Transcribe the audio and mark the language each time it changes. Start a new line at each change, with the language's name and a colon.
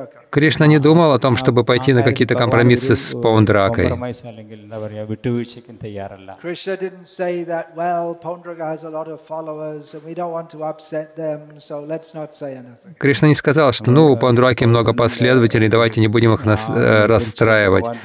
Russian: Кришна не думал о том, чтобы пойти на какие-то компромиссы с Паундракой. Кришна не сказал, что,
English: well, Paundraka has a lot of followers, and we don't want to upset them, so let's not say anything.
Russian: Кришна не сказал, что, ну, у Паундраки много последователей, давайте не будем их расстраивать.